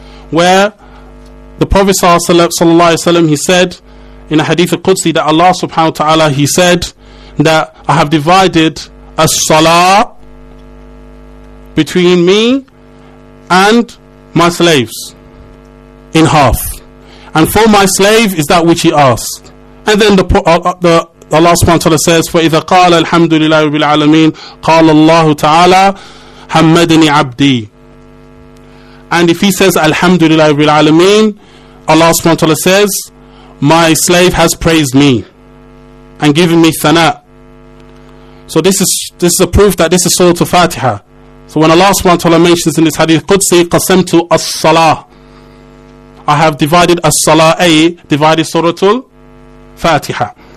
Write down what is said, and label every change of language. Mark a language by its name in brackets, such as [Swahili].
[English] Where the Prophet sallallahu alayhi wa sallam, he said in a hadith of Qudsi that Allah subhanahu wa ta'ala, he said that I have divided a salah between me and my slaves in half, and for my slave is that which he asked. And then the Allah subhanahu wa ta'ala says, [Arabic] فَإِذَا قَالَ الْحَمْدُ لِلَّهِ رَبِّ الْعَالَمِينَ قَالَ اللَّهُ تَعَالَى حَمَّدَنِي عَبْدِي. [English] And if he says Alhamdulillah Rabbil Alameen, Allah subhanahu wa ta'ala says, my slave has praised me and given me thana. So this is a proof that this is Surah Al-Fatiha. So when Allah subhanahu wa ta'ala mentions in this hadith Qudsi, [Arabic] qasamtu as-salah, [English] I have divided as-salah, divided Surah Al-Fatiha.